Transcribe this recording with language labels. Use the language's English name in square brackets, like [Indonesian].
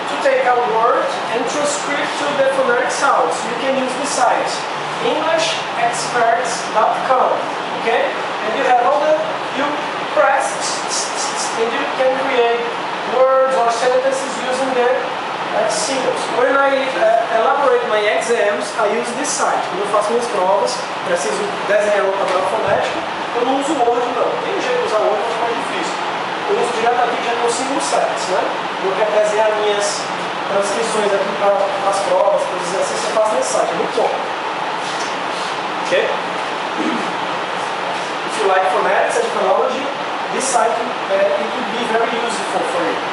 [English] To take a word and transcript to the phonetic sounds, you can use the site englishexperts.com. Okay? And you have all the. You press and you can create words or sentences using the symbols. When I elaborate my exams, I use this site. [Portuguese] Quando eu faço minhas provas, preciso desenhar o padrão fonético, eu não uso o Word, não. Tem jeito de usar o Word, mas é mais difícil. Eu uso diretamente já consigo os sites, né? Eu quero desenhar minhas transcrições aqui para as provas, para os exercícios, eu faço nesse site, é muito bom. Ok? [English] If you like phonetics and phonology, this site it will be very useful for you.